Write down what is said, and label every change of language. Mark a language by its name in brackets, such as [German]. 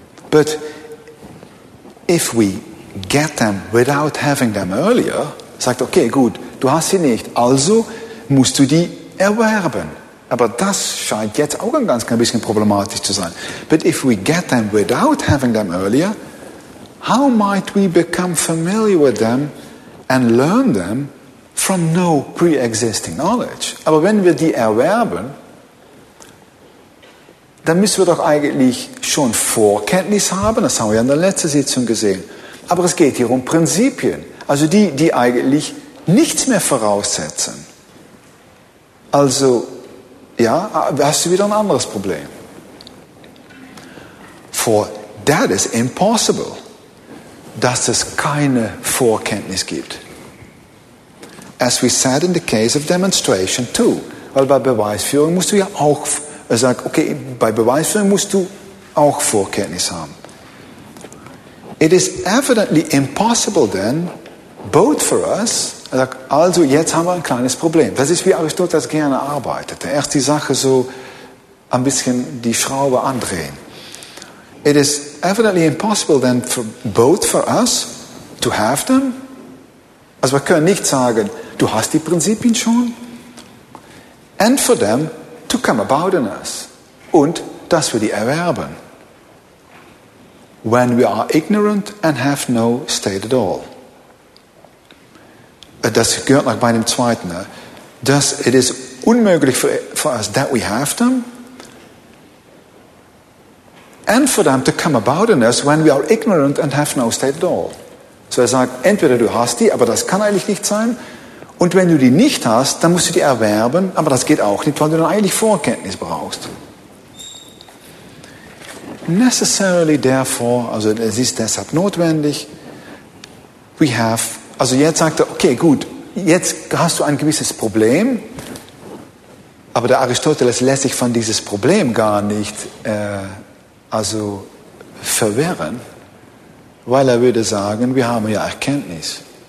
[English] But if we get them without having them earlier, [German] sagt, okay, gut, du hast sie nicht, also musst du die erwerben. Aber das scheint jetzt auch ein ganz klein bisschen problematisch zu sein. [English] But if we get them without having them earlier, how might we become familiar with them and learn them from no pre-existing knowledge? [German] Aber wenn wir die erwerben, dann müssen wir doch eigentlich schon Vorkenntnis haben, das haben wir ja in der letzten Sitzung gesehen. Aber es geht hier um Prinzipien, also die eigentlich nichts mehr voraussetzen. Also, ja, hast du wieder ein anderes Problem. [English] For that is impossible, [German] dass es keine Vorkenntnis gibt. [English] As we said in the case of demonstration too. [German] Weil bei Beweisführung musst du ja auch sagen, okay, bei Beweisführung musst du auch Vorkenntnis haben. [English] It is evidently impossible then, both for us, [German] also jetzt haben wir ein kleines Problem. Das ist, wie Aristoteles gerne arbeitete. Erst die Sache so ein bisschen die Schraube andrehen. [English] It is evidently impossible then for both for us to have them. [German] Also wir können nicht sagen, du hast die Prinzipien schon. [English] And for them to come about in us. [German] Und dass wir die erwerben. [English] When we are ignorant and have no state at all. [German] Das gehört noch bei dem zweiten. Das, [English] it is [German] unmöglich [English] for us that we have them. And for them to come about in us when we are ignorant and have no state at all. [German] So er sagt, entweder du hast die, aber das kann eigentlich nicht sein. Und wenn du die nicht hast, dann musst du die erwerben, aber das geht auch nicht, weil du dann eigentlich Vorkenntnis brauchst. [English] Necessarily therefore, [German] also es ist deshalb notwendig, [English] we have, [German] also jetzt sagt er, okay, gut, jetzt hast du ein gewisses Problem, aber der Aristoteles lässt sich von dieses Problem gar nicht also verwirren, weil er würde sagen, wir haben ja Erkenntnis.